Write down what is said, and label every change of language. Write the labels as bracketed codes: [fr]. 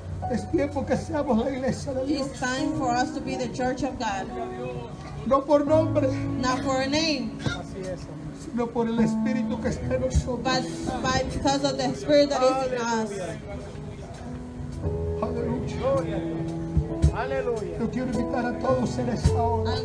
[es] Es tiempo que seamos la iglesia de Dios. [en] It's time for us to be the church of God. [es] No por nombre. [en] Not for a name. [es] Sino por el Espíritu que está en nosotros. [en] But because of the Spirit that is in us. [es] Aleluya. Aleluya. Yo quiero invitar a todos en esta hora.